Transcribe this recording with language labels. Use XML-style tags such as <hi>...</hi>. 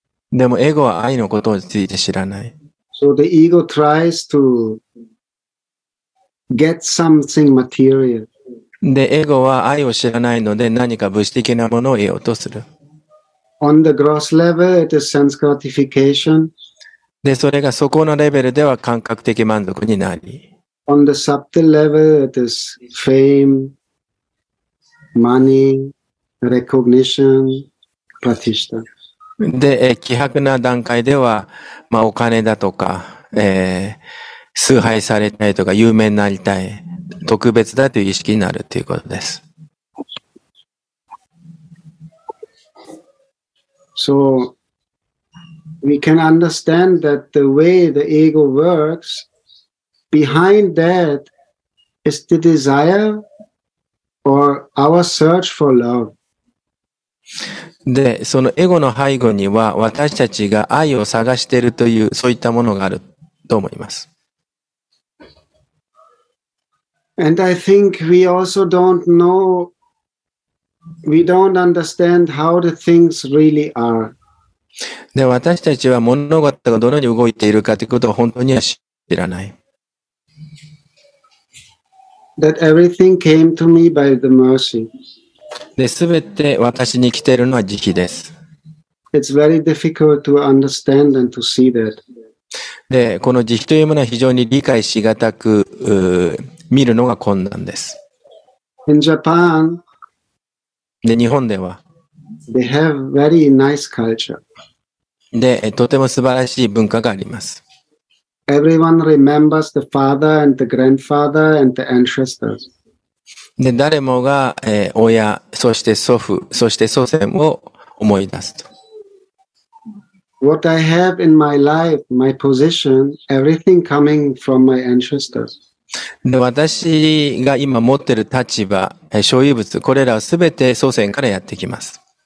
<ja>でもエゴは愛のことについて知らない。</ja> <en>So the ego tries to get something material.</en> <ja>で、エゴは愛を知らないので何か物質的なものを得ようとする。</ja> <en>On the gross level, it is sense gratification.</en> <ja>で、それがそこのレベルでは感覚的満足になり。</ja> <en>On the subtle level, it is fame. Money, recognition, pratishta.</en> <ja>で、希薄な段階では、まあ、お金だとか、崇拝されたいとか、有名になりたい、特別だという意識になるということです。</ja> <en>So, we can understand that the way the ego works, behind that is the desire. Or our search for love.</en> <ja>で、そのエゴの背後には私たちが愛を探しているというそういったものがあると思います。</ja> <en>And I think we also don't know, we don't understand how the things really are.</en> <ja>で、私たちは物事がどのように動いているかということを本当には知らない。</ja> <en>That everything came to me by the mercy.</en> <ja>で、すべて私に来ているのは慈悲です。</ja> <en>It's very difficult to understand and to see that.</en> <ja>で、この慈悲というものは非常に理解しがたく、見るのが困難です。</ja> <en>In Japan,</en> <ja>で、日本では、</ja> <en>they have very nice culture.</en> <ja>で、とても素晴らしい文化があります。</ja> <en>Everyone remembers the father and the grandfather and the ancestors.</en> <ja>で、誰もが、親、そして祖父、そして祖先を思い出すと。</ja> <en>What I have in my life, my position, everything coming from my ancestors.</en> <ja>で、私が今持ってる立場、所有物、これらはすべて祖先からやってきます。</ja>